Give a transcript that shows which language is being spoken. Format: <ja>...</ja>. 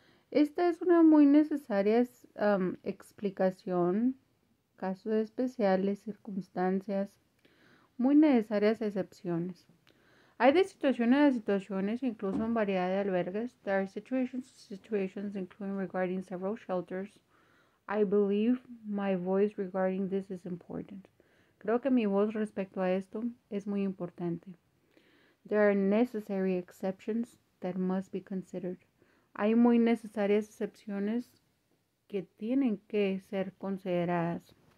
<es>Esta es una muy necesaria explicación, casos especiales, circunstancias, muy necesarias excepciones. Hay de situaciones a situaciones, incluso en variedad de albergues.</es> <en>There are situations to situations, including regarding several shelters. I believe my voice regarding this is important.</en> <es>Creo que mi voz respecto a esto es muy importante.</es> <en>There are necessary exceptions that must be considered.</en> <es>Hay muy necesarias excepciones que tienen que ser consideradas.</es>